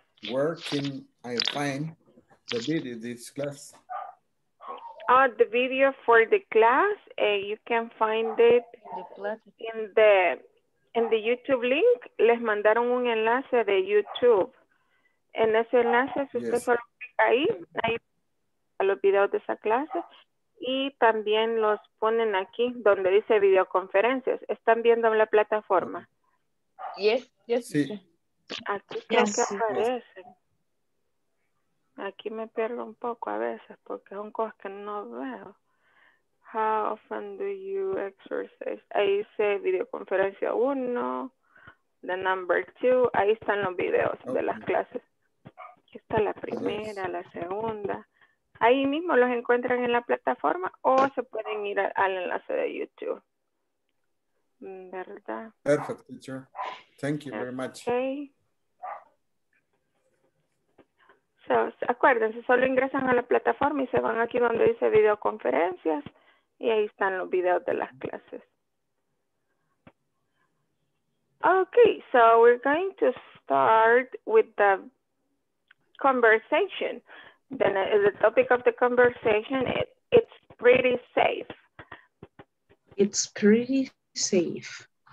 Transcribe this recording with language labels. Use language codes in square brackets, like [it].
[en] Where can I find the video this class? The video for the class, you can find it in the YouTube link. [es] Les mandaron un enlace de YouTube. En ese enlace, si usted solo clica ahí a los videos de esa clase. Y también los ponen aquí donde dice videoconferencias. ¿Están viendo la plataforma? [en] Yes, yes. [es] Sí. Aquí creo que aparecen. Aquí me pierdo un poco a veces porque son cosas que no veo. [en] How often do you exercise? [es] Ahí dice videoconferencia 1, [en] the number 2. [es] Ahí están los videos de las clases. Aquí está la primera, la segunda. Ahí mismo los encuentran en la plataforma o se pueden ir al enlace de YouTube. ¿Verdad? [en] Perfect, teacher. Thank you very much. Okay. [es] So, acuérdense, solo ingresan a la plataforma y se van aquí donde dice videoconferencias y ahí están los videos de las clases. [en] Okay, so we're going to start with the conversation. Then the topic of the conversation, it's pretty safe. It's pretty safe.